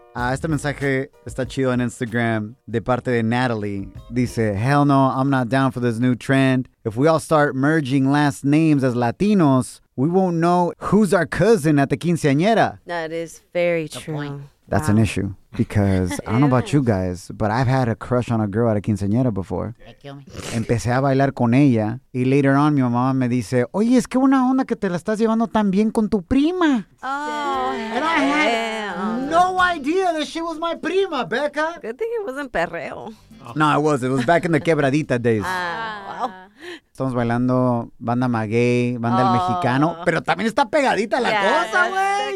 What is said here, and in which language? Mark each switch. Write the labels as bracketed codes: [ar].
[es] Este mensaje está chido en Instagram de parte de Natalie. [en] Dice, hell no, I'm not down for this new trend. If we all start merging last names as Latinos, we won't know who's our cousin at the quinceañera. That is very true. That's an issue because I don't know about you guys, but I've had a crush on a girl at a quinceañera before. [es] Empecé a bailar con ella, y [en] later on, [es] mi mamá me dice, oye, es que una onda que te la estás llevando tan bien con tu prima. Oh, [en] and I had no idea that she was my prima, Becca. Good thing it wasn't perreo. No, it was. It was back in the quebradita days. [es] Estamos bailando banda maguey, banda el mexicano, pero también está pegadita la cosa, güey.